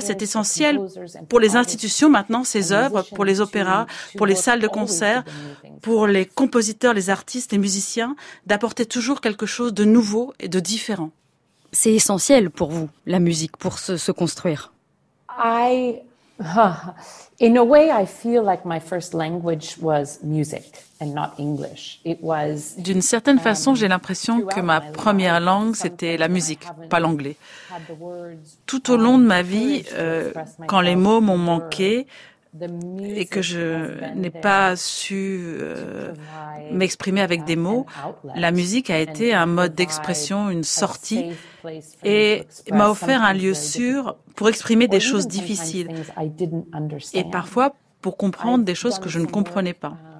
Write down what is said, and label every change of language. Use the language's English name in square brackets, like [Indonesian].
[French] C'est essentiel pour les institutions maintenant, ces œuvres, pour les opéras, pour les salles de concert, pour les compositeurs, les artistes, les musiciens, d'apporter toujours quelque chose de nouveau et de différent. C'est essentiel pour vous, la musique, pour se construire. [English] I In a way, I feel like my first language was music and not English. It was. [French] D'une certaine façon, j'ai l'impression que ma première langue, c'était la musique, pas l'anglais. Tout au long de ma vie, quand les mots m'ont manqué et que je n'ai pas su m'exprimer avec des mots, la musique a été un mode d'expression, une sortie, et m'a offert un lieu sûr pour exprimer des choses difficiles et parfois pour comprendre des choses que je ne comprenais pas.